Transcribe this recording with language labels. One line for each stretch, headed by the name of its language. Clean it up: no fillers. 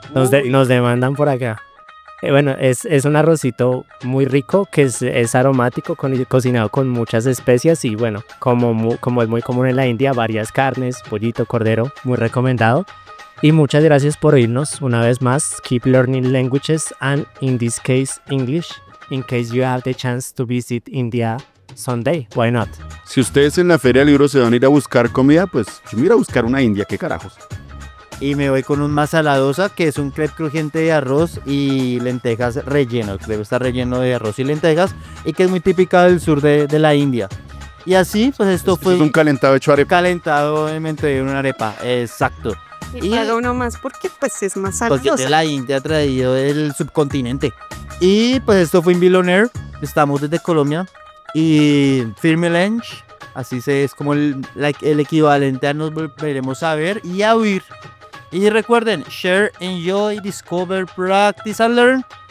Spanish: Nos demandan por acá. Bueno, es un arrocito muy rico, que es aromático, cocinado con muchas especias. Y bueno, como es muy común en la India, varias carnes, pollito, cordero, muy recomendado. Y muchas gracias por oírnos una vez más.
English: Keep learning languages, and in this case, English, in case you have the chance to visit India someday, why not?
Spanish: Si ustedes en la Feria del Libro se van a ir a buscar comida, pues yo me iré a buscar una india, ¿qué carajos? Y me voy con un masala dosa, que es un crepe crujiente de arroz y lentejas relleno. Debe estar relleno de arroz y lentejas, y que es muy típica del sur de la India. Y así, pues esto fue... Es un calentado hecho arepa. Calentado en una arepa, exacto. Y pago uno más porque pues es más alto. Porque de la India ha traído el subcontinente. Y pues esto fue Inville On Air. Estamos desde Colombia. Y Firme Lange, así es como el equivalente a nos volveremos a ver y a oír. Y recuerden,
English: share, enjoy, discover, practice and learn.